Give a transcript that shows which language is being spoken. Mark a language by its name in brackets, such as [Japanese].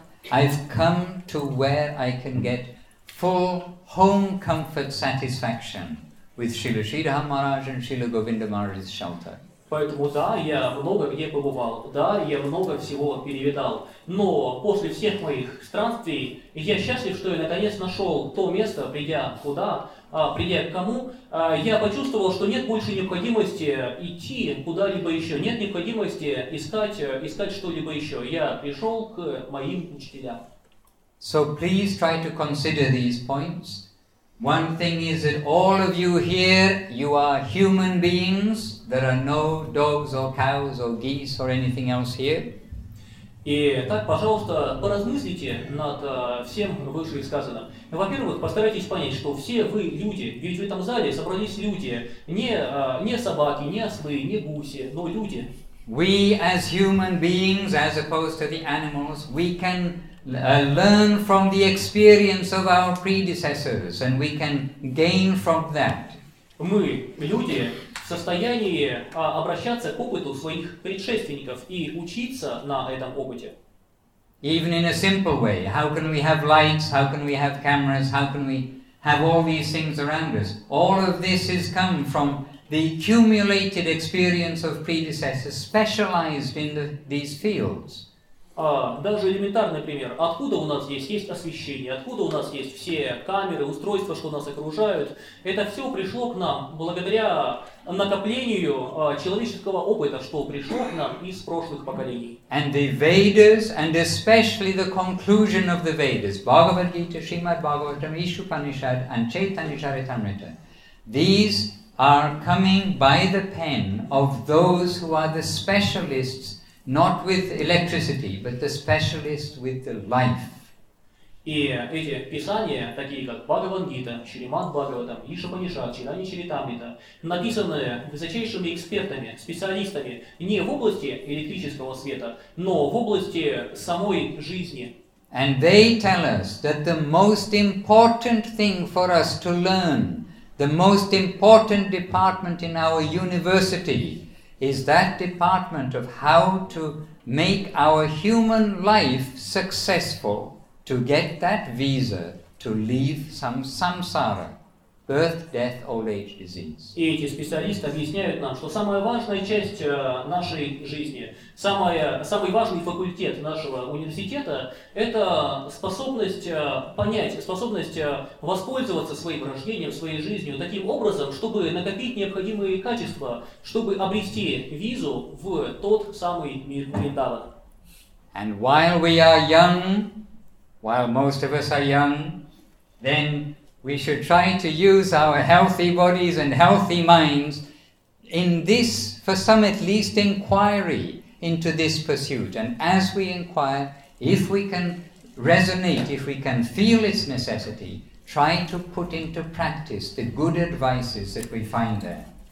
[English] I've come to where I can get full home comfort satisfaction with Srila Sridhar Maharaj and Srila Govinda Maharaj's shelter. [Russian] Поэтому да, я много где побывал, да, я много всего перевидал, но после всех моих странствий я счастлив, что я наконец нашел то место, придя куда, придя к кому, я почувствовал, что нет больше необходимости идти куда-либо еще, нет необходимости искать что-либо еще. Я пришел к моим учителям. [English] So please try to consider these points. One thing is that all of you here, you are human beings. There are no dogs or cows or geese or anything else here. [Russian] И так, пожалуйста, поразмыслите над всем вышесказанным. Во-первых, постарайтесь понять, что все вы люди, ведь в этом зале собрались люди, не собаки, не ослы, не гуси, но люди. [English] We as human beings, as opposed to the animals, we can learn from the experience of our predecessors, and we can gain from that. [Russian] Мы, люди, в состоянии обращаться к опыту своих предшественников и учиться на этом опыте. [English] Even in a simple way. How can we have lights? How can we have cameras? How can we have all these things around us? All of this has come from the accumulated experience of predecessors specialized in these fields. [Russian] Даже элементарный пример. Откуда у нас здесь есть освещение? Откуда у нас есть все камеры, устройства, что нас окружают? Это все пришло к нам благодаря накоплению человеческого опыта, что пришло к нам из прошлых поколений. [English] And the Vedas, and especially the conclusion of the Vedas, Bhagavad Gita, Srimad Bhagavatam, Ishupanishad, and Chaitanya Charitamrita, these are coming by the pen of those who are the specialists, not with electricity, but the specialist with the life. [Russian] И эти писания, такие как Бхагаван Гита, Шримад Бхагаватам, Ишапанишад, Чайтанья Чаритамрита, написаны высочайшими экспертами, специалистами, не в области электрического света, но в области самой жизни. [English] And they tell us that the most important thing for us to learn, the most important department in our university, is that department of how to make our human life successful to get that visa to leave some samsara, birth, death, old age, disease. [Russian] И эти специалисты объясняют нам, что самая важная часть нашей жизни, самый важный факультет нашего университета – это способность понять, способность воспользоваться своим рождением, своей жизнью таким образом, чтобы накопить необходимые качества, чтобы обрести визу в тот самый мир Вриндавана. [English] And while we are young, while most of us are young, then we should try to use our healthy bodies and healthy minds in this, for some at least, inquiry into this pursuit. And as we inquire, if we can resonate, if we can feel its necessity, try to put into practice the good advices that we find there.